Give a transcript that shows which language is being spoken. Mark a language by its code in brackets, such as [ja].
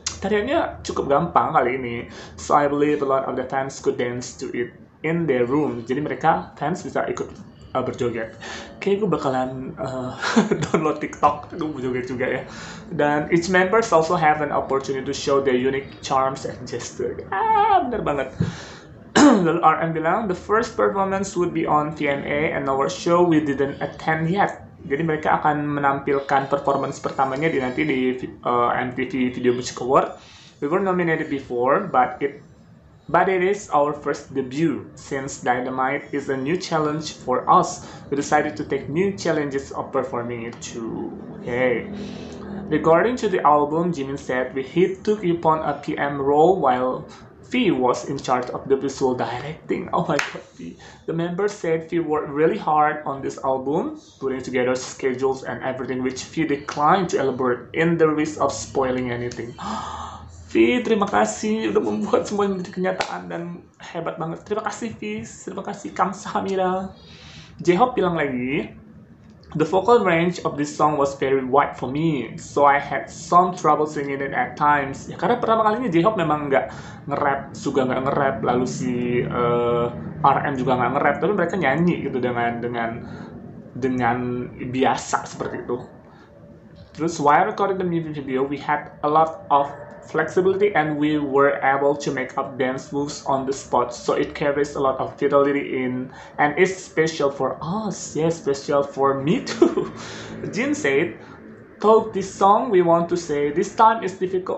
[id] Tariannya cukup gampang kali ini. [en] So I believe a lot of the fans could dance to it in their room. [id] Jadi mereka, fans bisa ikut berjoget. Kayaknya gue bakalan download TikTok, gue berjoget juga ya. Dan [en] each members also have an opportunity to show their unique charms and gestures. [id] Ah, bener banget. Lalu RM bilang, [en] the first performance would be on VMA and our show we didn't attend yet. [id] Jadi mereka akan menampilkan performance pertamanya di nanti di MTV Video Music Award. [en] We were nominated before, but it is our first debut. Since Dynamite is a new challenge for us, we decided to take new challenges of performing it too. Okay. Regarding to the album, Jimin said he took upon a PM role while V was in charge of the visual directing. Oh my god, V. The members said V worked really hard on this album, putting together schedules and everything, which V declined to elaborate in the risk of spoiling anything. [id] V, terima kasih udah membuat semuanya menjadi kenyataan dan hebat banget. Terima kasih, V. Terima kasih, [ko] Kamsahamnida. [en] J-Hope [id] bilang lagi, [en] the vocal range of this song was very wide for me, so I had some trouble singing it at times. [id] Ya, karena pertama kalinya J-Hope memang nggak nge-rap, Suga nggak nge-rap, lalu si RM juga nggak nge-rap, tapi mereka nyanyi gitu dengan biasa seperti itu. Terus, [en] while recording the music video, we had a lot of flexibility and we were able to make up dance moves on the spot, so it carries a lot of fidelity in and is special for us. Yes, special for me too. Jin said, talk this song, we want to say this time is difficult.